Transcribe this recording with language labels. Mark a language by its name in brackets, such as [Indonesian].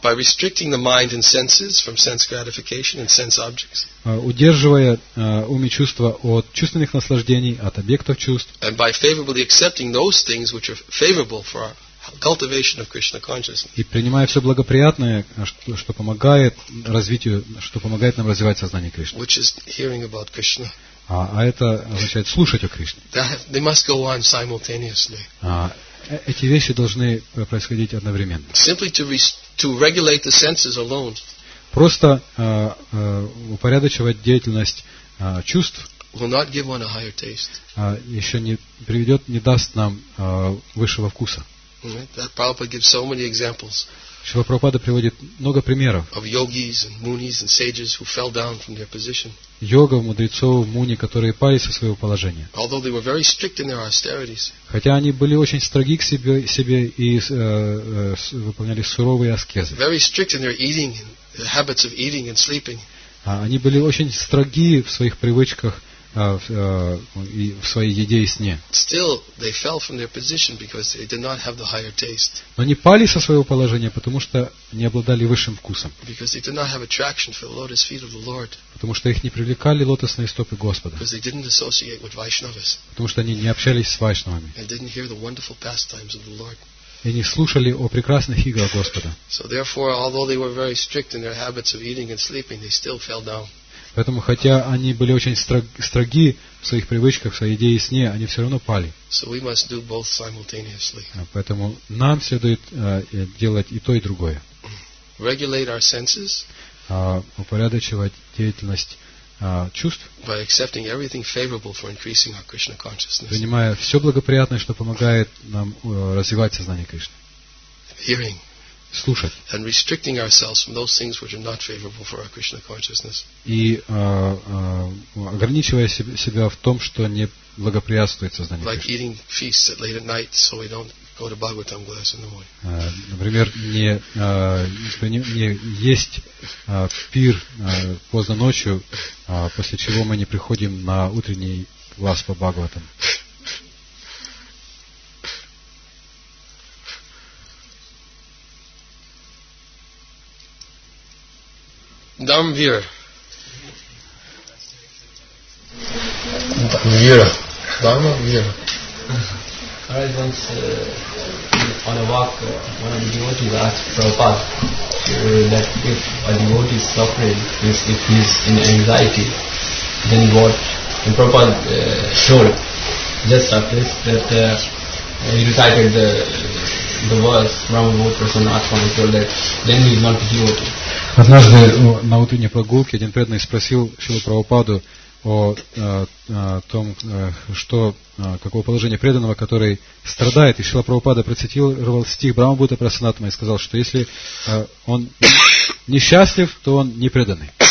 [English] By restricting the mind and senses from sense gratification and sense objects. [Russian] Удерживая ум и чувства от чувственных наслаждений, от объектов чувств. [English] And by favorably accepting those things which are favorable for our cultivation of Krishna consciousness. [Russian] И принимая все благоприятное, что помогает развитию, что помогает нам развивать сознание Кришны. [English] Which is hearing about Krishna. [Russian] А это означает слушать о Кришне. [English] They must go on simultaneously. [Russian] эти вещи должны происходить одновременно. [English] Simply to regulate the senses alone. [Russian] Просто упорядочивать деятельность чувств [English] will not give one a higher taste. [Russian] Еще не приведет, не даст нам высшего вкуса. [English] Prabhupada gives so many examples. [Russian] Шрила Прабхупада приводит много примеров. [English] Of yogis and munis and sages who fell down from their position. [Russian] Йогов, мудрецов, муни, которые пали со своего положения. [English] Although they were very strict in their austerities. [Russian] Хотя они были очень строги к себе и выполняли суровые аскезы. [English] Very strict in their eating, the habits of eating and sleeping. [Russian] Они были очень строги в своих привычках и в своей еде и сне. [English] Still, they fell from their position because they did not have the higher taste. [Russian] Но они пали со своего положения, потому что не обладали высшим вкусом. [English] Because they did not have attraction for the lotus feet of the Lord. [Russian] Потому что их не привлекали лотосные стопы Господа. [English] Because they didn't associate with Vaishnavas. [Russian] Потому что они не общались с вайшнавами. [English] And didn't hear the wonderful pastimes of the Lord. [Russian] И не слушали о прекрасных играх Господа. [English] So therefore, although they were very strict in their habits of eating and sleeping, they still fell down. [Russian] Поэтому, хотя они были очень строги в своих привычках, в своей еде и сне, они все равно пали. [English] So we must do both simultaneously. [Russian] Поэтому нам следует делать и то, и другое. [English] Regulate our senses, [Russian] упорядочивать деятельность чувств, [English] by accepting everything favorable for increasing our Krishna consciousness. [Russian] Принимая все благоприятное, что помогает нам развивать сознание Кришны. [English] Hearing. [Russian] Слушать. [English] And restricting ourselves from those things which are not favorable for our Krishna consciousness. [Russian] И ограничивая себя в том, что не благоприятствует сознанию Кришны. [English] Like eating feasts at late at night, so we don't go to Bhagavatam class in the morning. [Russian] Например, не есть пир поздно ночью, после чего мы не приходим на утренний класс по Бхагаватам. Дамвира. Дамвира. Дамвира. [English] I once, on a walk, one of the devotees asked Prabhupada that if a devotee is suffering, if he is in anxiety, then what? And Prabhupada showed just after this that he recited the verse from Ramabhu Prasanatma and told that then he is not a devotee. [Russian] Однажды на утренней прогулке один преданный спросил Шрилу Прабхупаду о том, что, какого положения преданного, который страдает. И Шрила Прабхупада процитировал стих Брахмабута Прасанатма и сказал, что если он несчастлив, то он не преданный.